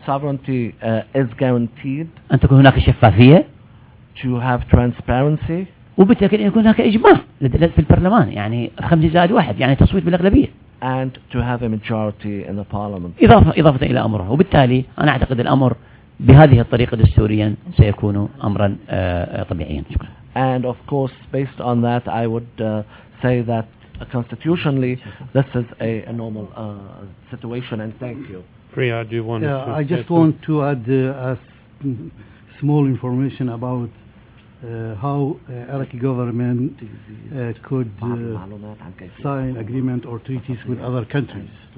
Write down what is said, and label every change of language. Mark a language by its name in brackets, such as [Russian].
[English] Sovereignty is guaranteed. [Arabic] أن تكون هناك شفافية. [English] To have transparency. [Arabic] وبالتأكيد أن يكون هناك إجماع في البرلمان يعني 5+1 يعني تصويت بالأغلبية. [English] And to have a majority in the parliament. [Arabic] إضافة إلى أمره وبالتالي أنا أعتقد الأمر بهذه الطريقة دستوريا سيكون أمرا طبيعيا. شكرا. [English] And of course, based on that, I would say that. Constitutionally, this is a normal situation, and thank you. Priya, do you want to? I just want to add a small information about how Iraqi government could sign agreement or treaties with other countries.